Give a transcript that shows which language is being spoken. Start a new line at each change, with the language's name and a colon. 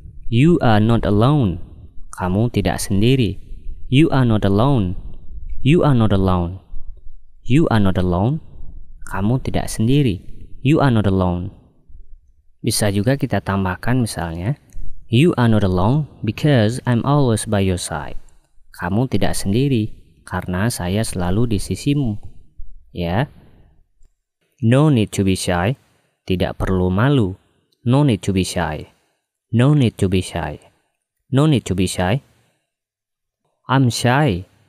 English: You are not alone.
Indonesian: Kamu tidak sendiri.
English: You are not alone. You are not alone. You are not alone.
Indonesian: Kamu tidak sendiri.
English: You are not alone.
Indonesian: Bisa juga kita tambahkan misalnya,
English: you are not alone because I'm always by your side.
Indonesian: Kamu tidak sendiri karena saya selalu di sisimu. Ya.
English: No need to be shy.
Indonesian: Tidak perlu malu.
English: No need to be shy. No need to be shy. No need to be shy. I'm shy.